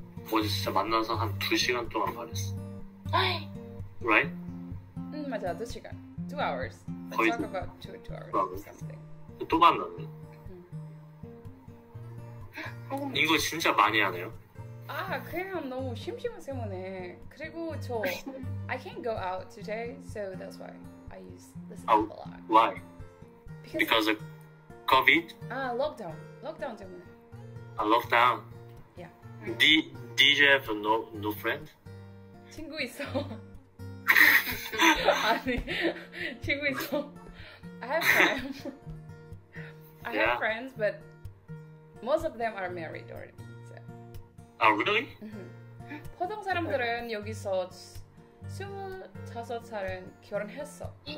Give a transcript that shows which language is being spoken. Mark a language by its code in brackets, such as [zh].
[ko] 어제 진짜 만나서 한 2시간 동안 말했어. [en] Right? [ko] 응, 맞아. 2시간. [en] 2 hours. Let's talk about 2 hours or something. [ko] 또 만났네. 이거 진짜 많이 하네요. 아, 그냥 너무 심심한 때문에. 그리고 저 [en] I can't go out today, so that's why I use this app a lot. Why? Because of COVID? [ko] Lockdown 때문에. [en] A lockdown? Yeah. Did you have no friend? [ko] 친구 있어. 아니, 친구 있어. [en] I have friends. I have friends, but most of them are married already. So. Oh, really? [ko] 보통 사람들은 여기서 25살은 결혼했어.